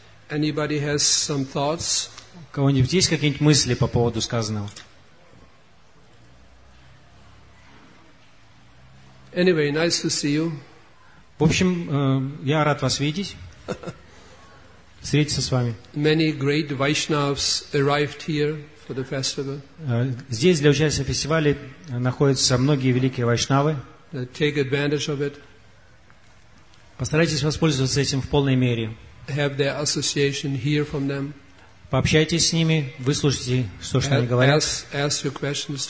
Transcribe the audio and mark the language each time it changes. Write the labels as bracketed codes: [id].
[en] Anybody has some thoughts? [ru] У кого-нибудь есть какие-нибудь мысли по поводу сказанного? [en] Anyway, nice to see you. [ru] В общем, я рад вас видеть, встретиться с вами. [en] Many great Vaishnavas arrived here for the festival. [ru] Здесь для участия в фестивале находятся многие великие вайшнавы. [en] Take advantage of it. [ru] Постарайтесь воспользоваться этим в полной мере. [en] Have their association, hear from them. [ru] Пообщайтесь с ними, выслушайте, что они говорят. [en] Ask your questions.